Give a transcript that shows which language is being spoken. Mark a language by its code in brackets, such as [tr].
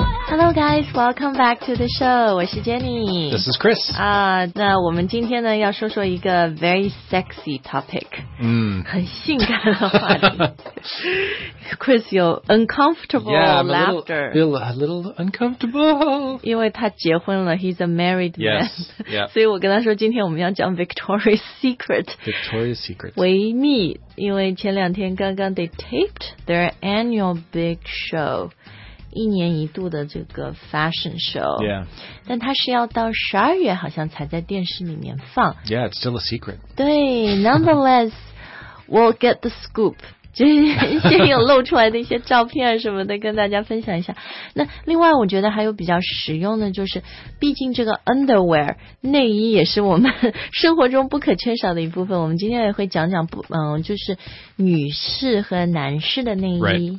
[en] Hello guys, welcome back to the show. [zh] 我是 Jenny. [en] This is Chris. [zh] 那我们今天呢要说说一个 [en] very sexy topic. [zh] 很性感的话题。Chris 有 [en] uncomfortable laughter. Yeah, a little uncomfortable. [zh] 因为他结婚了 [en] he's a married man. Yes, yeah. [zh] 所以我跟他说今天我们要讲 Victoria's Secret. [en] Victoria's Secret. [zh] 维密因为前两天刚刚 [en] they taped their annual big show. [zh] 一年一度的这个 fashion show、 [en] yeah. [zh] 但它是要到12月好像才在电视里面放 [en] Yeah, it's still a secret [zh] 对 [en] Nonetheless, we'll get the scoop [zh] 先有露出来的一些照片什么的跟大家分享一下那另外我觉得还有比较实用的就是毕竟这个 underwear 内衣也是我们生活中不可缺少的一部分我们今天也会讲讲不、就是女士和男士的内衣、